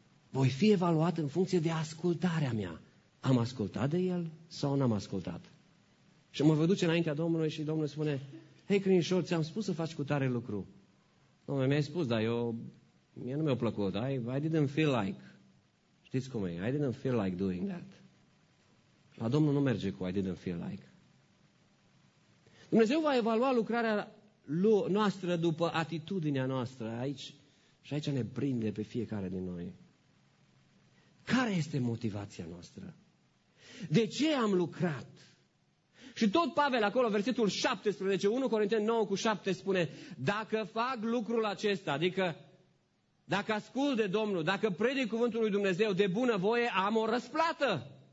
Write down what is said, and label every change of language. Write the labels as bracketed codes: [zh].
[ro] Voi fi evaluat în funcție de ascultarea mea. Am ascultat de El sau n-am ascultat? Și mă duce înaintea Domnului și Domnul spune, hei, crinișor, ți-am spus să faci cu tare lucru. Domnule, mi-ai spus, dar eu, mie nu mi-a plăcut. [en] I didn't feel like. [ro] Știți cum e? [en] I didn't feel like doing that. [ro] La Domnul nu merge cu [en] I didn't feel like. [ro] Dumnezeu va evalua lucrarea noastră după atitudinea noastră aici. Și aici ne prinde pe fiecare din noi. Care este motivația noastră? De ce am lucrat? Și tot Pavel acolo, versetul 17, 1 Corinteni 9 cu 7 spune, dacă fac lucrul acesta, adică dacă ascult de Domnul, dacă predic cuvântul lui Dumnezeu de bună voie, am o răsplată.